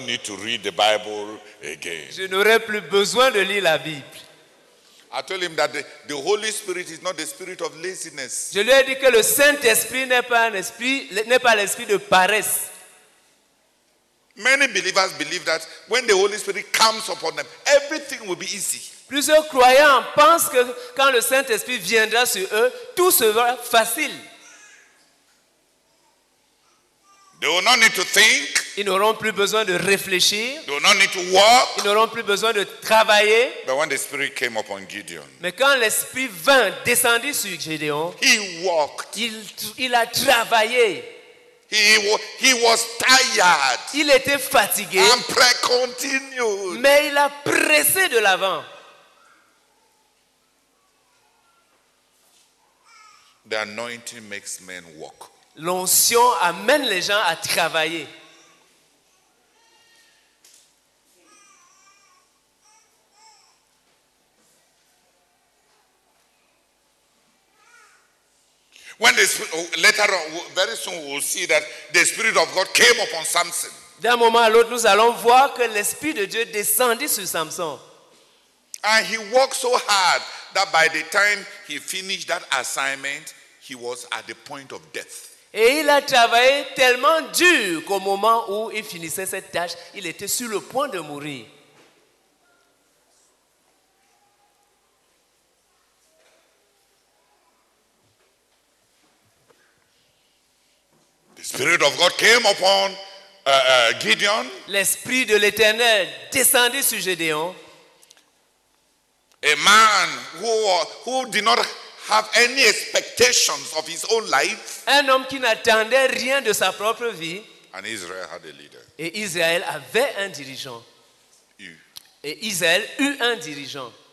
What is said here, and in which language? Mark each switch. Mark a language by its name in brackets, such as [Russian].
[English] I will not need to read the Bible again. [French] Je n'aurai plus besoin de lire la Bible. [English] I told him that the Holy Spirit is not the spirit of laziness. [French] Je lui ai dit que le Saint-Esprit n'est pas l'esprit de paresse. [English] Many believers believe that when the Holy Spirit comes upon them, everything will be easy. [French] Plusieurs croyants pensent que quand le Saint-Esprit viendra sur eux, tout sera facile. [English] They will not need to think. [French] Ils n'auront plus besoin de réfléchir. [English] They will not need to work. [French] Ils n'auront plus besoin de travailler. [English] But when the Spirit came upon Gideon, [French] mais quand l'Esprit descendit sur Gédéon, [English] he walked. [French] Il a travaillé. [English] He was tired. [French] Il était fatigué. [English] And prayer continued. [French] Mais il a pressé de l'avant. [English] The anointing makes men walk. [French] L'onction amène les gens à travailler. [English] When the Spirit, later on, very soon we'll see that the Spirit of God came upon Samson. [French] D'un moment à l'autre, nous allons voir que l'Esprit de Dieu descendit sur Samson. [English] And he worked so hard that by the time he finished that assignment, he was at the point of death. [French] Et il a travaillé tellement dur qu'au moment où il finissait cette tâche, il était sur le point de mourir. [English] The Spirit of God came upon Gideon. [French] L'Esprit de l'Éternel descendit sur Gédéon. [English] A man who did not have any expectations of his own life. [French] Un homme qui n'attendait rien de sa propre vie. [English] And Israel had a leader. [French] Et Israël avait un dirigeant. Et Israël eut un dirigeant.